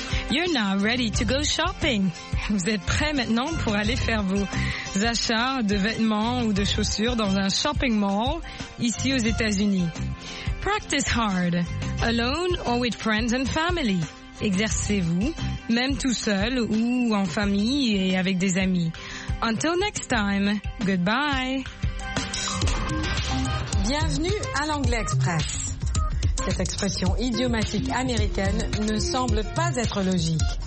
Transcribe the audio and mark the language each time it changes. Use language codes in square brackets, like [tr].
[en] You're now ready to go shopping. [fr] Vous êtes prêts maintenant pour aller faire vos achats de vêtements ou de chaussures dans un shopping mall ici aux États-Unis. [en] Practice hard, alone or with friends and family. [fr] Exercez-vous, même tout seul ou en famille et avec des amis. [en] Until next time, goodbye. [fr] Bienvenue à l'Anglais Express. Cette expression idiomatique américaine ne semble pas être logique.